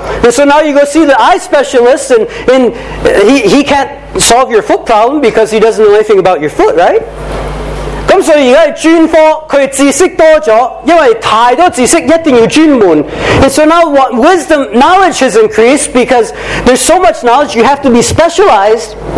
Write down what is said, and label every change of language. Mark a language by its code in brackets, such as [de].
[en] So now you go see the eye specialist, and he can't solve your foot problem because he doesn't know anything about your foot, right? [zh] 所以現在專科,他知識多了,因為太多知識一定要專門。 [en] And so now what wisdom, knowledge has increased because there's so much knowledge, you have to be specialized.